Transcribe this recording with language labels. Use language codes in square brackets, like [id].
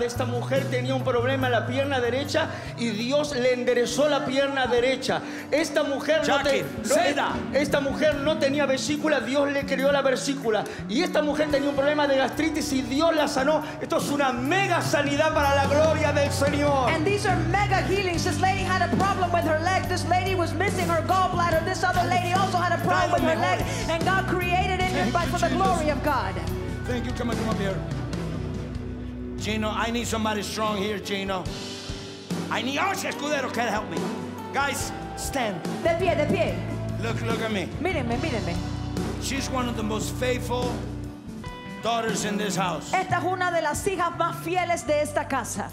[es] Esta mujer tenía un problema en la pierna derecha y Dios le enderezó la pierna derecha. Esta mujer, esta mujer no tenía vesícula, Dios le creó la vesícula. Y esta mujer tenía un problema de gastritis y Dios la sanó. Esto es una mega sanidad para la gloria del Señor. [en] And these are mega healings. This lady had a problem with her leg. This lady was missing her gallbladder. This other lady also had a problem with her leg. And God created it for the glory of God. Thank you. Come up here. Gino, I need somebody strong here, Gino. I need Archie Escudero. Can help me? Guys, stand. [es] De pie, de pie. [en] Look at me. [es] Mírenme, mírenme. [en] She's one of the most faithful daughters in this house. [es] Esta es una de las hijas más fieles de esta casa.